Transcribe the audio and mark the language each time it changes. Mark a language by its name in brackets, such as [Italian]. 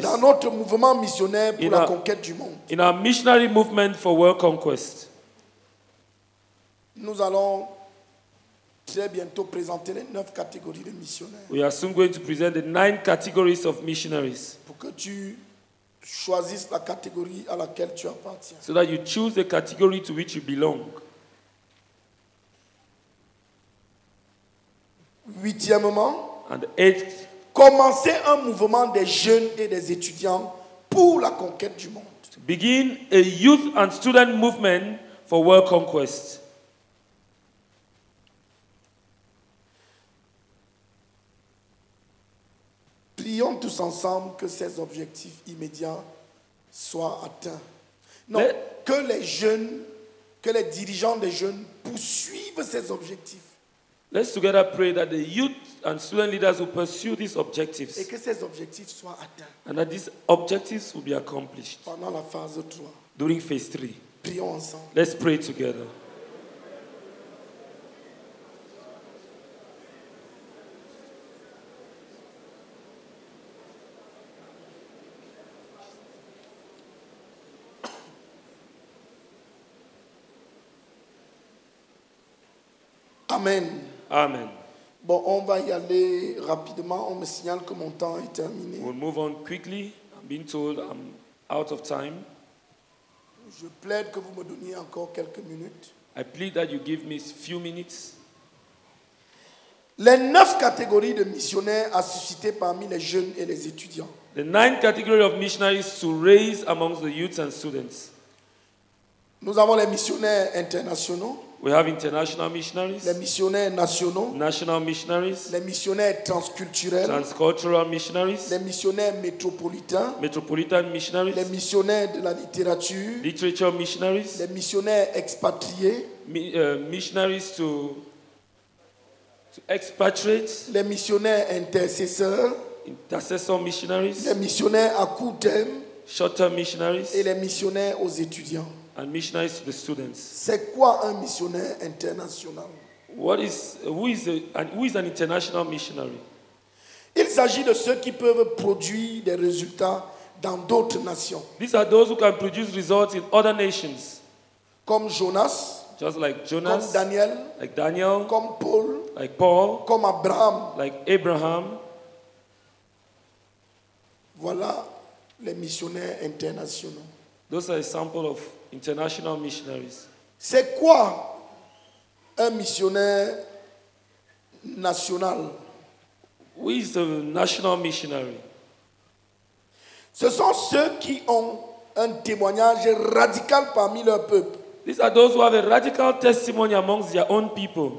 [French] Dans notre mouvement missionnaire pour la conquête du monde. [English] In our missionary movement for world conquest. [French] Nous allons très bientôt présenter les 9 catégories de missionnaires. [English] We are soon going to present the 9 categories of missionaries. [French] Pour que tu choisisses la catégorie à laquelle tu appartiens. [English] So that you choose the category to which you belong. [French] Huitièmement, [English] and eighth, [French] commencer un mouvement des jeunes et des étudiants pour la conquête du monde. [English] Begin a youth and student movement for world conquest. [French] Prions tous ensemble que ces objectifs immédiats soient atteints. Non, que les jeunes, que les dirigeants des jeunes poursuivent ces objectifs. [English] Let's together pray that the youth and student leaders will pursue these objectives. [French] Et que ces objectifs soient atteints. [English] And that these objectives will be accomplished. [French] Pendant la phase 3. [English] During phase 3. [French] Prions ensemble. [English] Let's pray together. [French] Amen. [English] Amen. [French] Bon, on va y aller rapidement. On me signale que mon temps est terminé. [English] We'll move on quickly. I'm being told I'm out of time. [French] Je plaide que vous me donniez encore quelques minutes. [English] I plead that you give me a few minutes. [French] Les 9 catégories de missionnaires à susciter parmi les jeunes et les étudiants. [English] The 9 categories of missionaries to raise amongst the youth and students. [French] Nous avons les missionnaires internationaux. [English] We have international missionaries. [French] Les missionnaires nationaux. [English] National missionaries. [French] Les missionnaires transculturels. [English] Transcultural missionaries. [French] Les missionnaires métropolitains. [English] Metropolitan missionaries. [French] Les missionnaires de la littérature. [English] Literature missionaries. [French] Les missionnaires expatriés. [English] Missionaries to expatriates. [French] Les missionnaires intercesseurs. [English] Intercessor missionaries. [French] Les missionnaires à court terme. [English] Short-term missionaries. [French] Et les missionnaires aux étudiants. [English] And missionaries to the students. [French] C'est quoi un missionnaire international? [English] Who is an international missionary? [French] Il s'agit de ceux qui peuvent produire des résultats dans d'autres nations. [English] These are those who can produce results in other nations. [French] Comme Jonas. [English] Just like Jonas. [French] Comme Daniel. [English] Like Daniel. [French] Comme Paul. [English] Like Paul. [French] Comme Abraham. [English] Like Abraham. [French] Voilà les missionnaires internationaux. [English] Those are examples of international missionaries. [French] C'est quoi un missionnaire national? [English] Who is a national missionary? [French] Ce sont ceux qui ont un témoignage radical parmi leur peuple. [English] These are those who have a radical testimony amongst their own people.